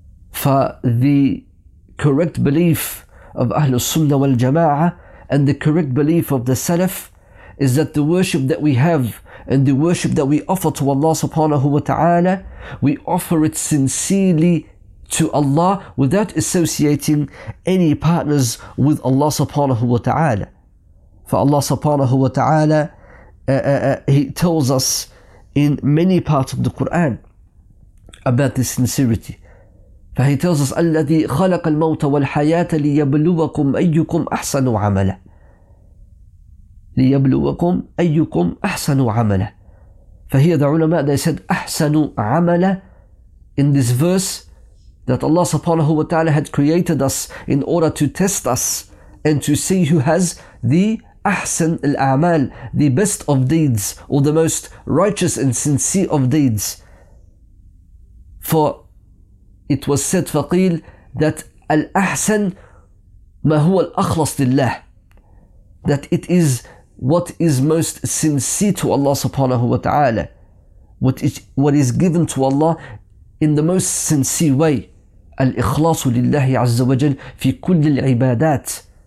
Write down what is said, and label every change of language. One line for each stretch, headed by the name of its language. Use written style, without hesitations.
English: For the correct belief of Ahlul Sunnah wal Jama'ah and the correct belief of the Salaf is that the worship that we have and the worship that we offer to Allah subhanahu wa ta'ala, we offer it sincerely to Allah without associating any partners with Allah subhanahu wa ta'ala. For Allah subhanahu wa ta'ala, He tells us in many parts of the Quran about this sincerity. For He tells us,
Arabic: الَّذِي خَلَقَ الْمَوْتَ وَالْحَيَاةَ لِيَبْلُوَكُمْ أَيُّكُمْ أَحْسَنُ عَمَلًا لِيَبْلُوَكُمْ أَيُّكُمْ أَحْسَنُ عَمَلًا.
English: For here the ulama, they said
Arabic: أَحْسَنُ عَمَلًا
English: in this verse, that Allah subhanahu wa ta'ala had created us in order to test us and to see who has the ahsan al-a'mal, the best of deeds, or the most righteous and sincere of deeds. For it was said,
Arabic: faqil,
English: that
Arabic: al-ahsan ma huwa al-akhlas lillah,
English: that it is what is most sincere to Allah subhanahu wa ta'ala, what is given to Allah in the most sincere way.
Arabic: الإخلاص لله عز وجل في كل العبادات.